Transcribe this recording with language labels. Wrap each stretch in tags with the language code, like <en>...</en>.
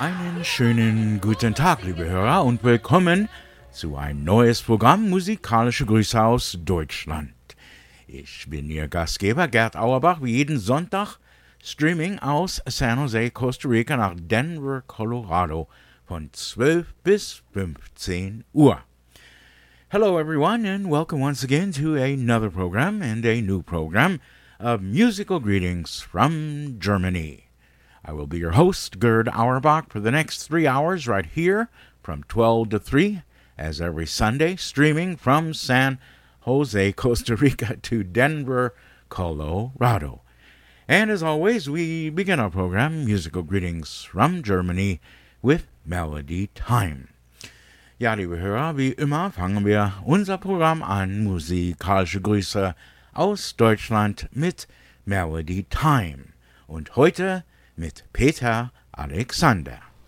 <de>Einen schönen guten Tag, liebe Hörer, und willkommen zu ein neues Programm Musikalische Grüße aus Deutschland. Ich bin Ihr Gastgeber Gerd Auerbach, wie jeden Sonntag, streaming aus San Jose, Costa Rica nach Denver, Colorado von 12 bis 15 Uhr.</de> <en>Hello everyone and welcome once again to another program and a new program of musical greetings from Germany. I will be your host, Gerd Auerbach, for the next 3 hours right here from 12 to 3, as every Sunday, streaming from San Jose, Costa Rica to Denver, Colorado. And as always, we begin our program, Musical Greetings from Germany, with Melody Time.</en> <de>Ja, liebe Hörer, wie immer fangen wir unser Programm an, musikalische Grüße aus Deutschland mit Melody Time. Und heute mit Peter Alexander.</de>